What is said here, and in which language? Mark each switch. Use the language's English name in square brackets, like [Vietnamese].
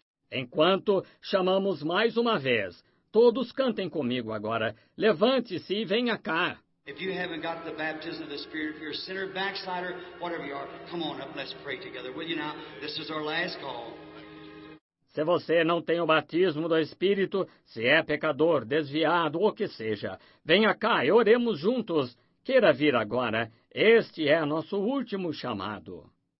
[Portuguese] Enquanto chamamos mais uma vez, todos cantem comigo agora. Levante-se e venha cá. [English] If you haven't got the baptism of the Spirit, if you're a sinner, backslider, whatever you are, come on up, let's pray together, will you now? This is our last call. [Portuguese] Se você não tem o batismo do Espírito, se é pecador, desviado, ou o que seja, venha cá e oremos juntos. Queira vir agora. Este é nosso último chamado.